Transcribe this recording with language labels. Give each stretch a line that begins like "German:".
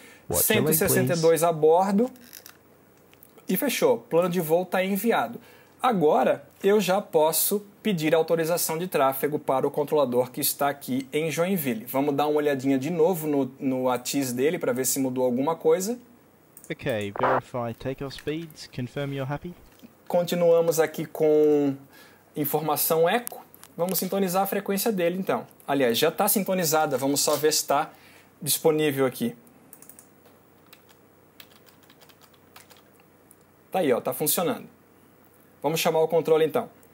Portuguese: 162 a bordo e fechou, plano de voo está enviado. Agora eu já posso pedir autorização de tráfego para o controlador que está aqui em Joinville. Vamos dar uma olhadinha de novo no ATIS dele para ver se mudou alguma coisa.
English: Ok, verify takeoff speeds, confirm you're happy.
Portuguese: Continuamos aqui com informação eco, vamos sintonizar a frequência dele então. Aliás, já está sintonizada, vamos só ver se está disponível aqui. Tá aí, ó, tá funcionando. Vamos chamar o controle, então.